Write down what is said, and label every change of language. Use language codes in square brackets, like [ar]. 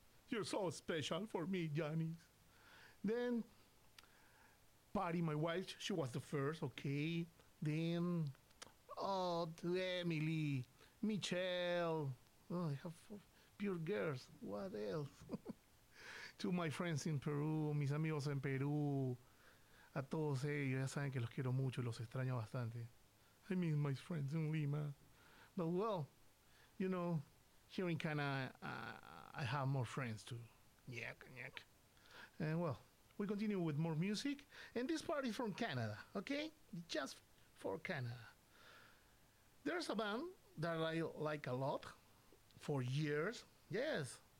[en] You're so special for me, Janice. Then, Patty, my wife, she was the first, okay. Then, to Emily, Michelle. Oh, I have four pure girls. What else? To my friends in Peru, [es] mis amigos en Perú. A todos ellos, ya saben que los quiero mucho y los extraño bastante. [en] I miss my friends in Lima. But well, you know, here in Canada, I have more friends too. Nyak. And well, we continue with more music. And this part is from Canada, okay? Just for Canada. There's a band that I like a lot for years. Yes.